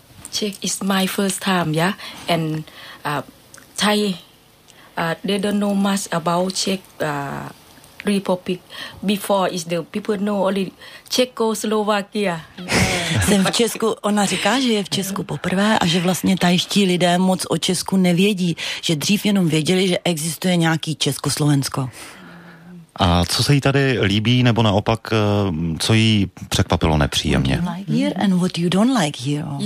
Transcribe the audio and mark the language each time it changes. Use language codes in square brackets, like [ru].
[en] Czech is my first time, yeah? And Thai, they don't know much about Czech Republic. Before is the people know only Czechoslovakia. [cs] Jsem v Česku, ona říká, že je v Česku poprvé a že vlastně tajští lidé moc o Česku nevědí, že dřív jenom věděli, že existuje nějaký Československo. A co se jí tady líbí, nebo naopak, co jí překvapilo nepříjemně? [en] What you like here and what you don't like here.